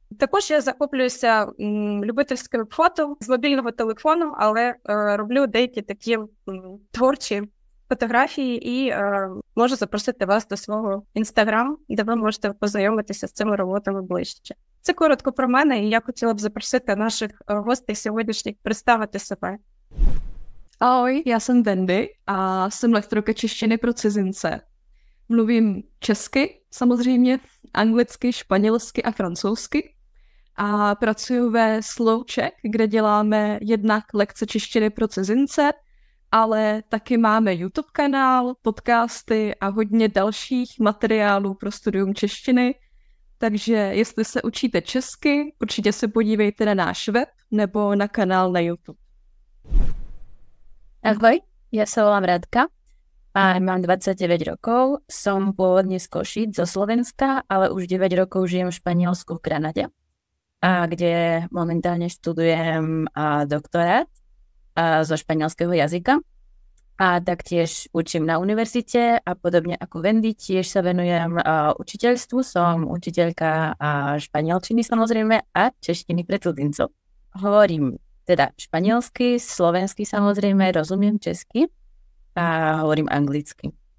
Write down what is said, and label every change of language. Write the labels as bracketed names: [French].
[Ukrainian] Також я захоплююся любительським фото з мобільного телефону, але роблю деякі такі творчі фотографії і можу запросити вас до свого інстаграм, де ви можете познайомитися з цими роботами ближче. Це коротко про мене, і я хотіла б запросити наших гостей сьогоднішніх представити себе. [Czech] Ahoj, já jsem Vendy a jsem lektorka češtiny pro cizince. Mluvím česky samozřejmě, anglicky, španělsky a francouzsky. A pracuji ve Slovaks, kde děláme jednak lekce češtiny pro cizince, ale taky máme YouTube kanál, podcasty a hodně dalších materiálů pro studium češtiny. Takže jestli se učíte česky, určitě se podívejte na náš web nebo na kanál na YouTube. [Slovak] Ahoj, já se volám Radka a mám 29 rokov. Jsem původně z Košic, zo Slovenska, ale už 9 rokov žijem v Španělsku, v Granadě, kde momentálně studujem doktorát zo španělského jazyka. A taktiež učím na univerzite a podobne ako Vendy, tiež sa venujem učiteľstvu. Som učiteľka španielčiny samozrejme a češtiny pre cudzincov. Hovorím teda španielsky, slovensky samozrejme, rozumiem česky a hovorím anglicky.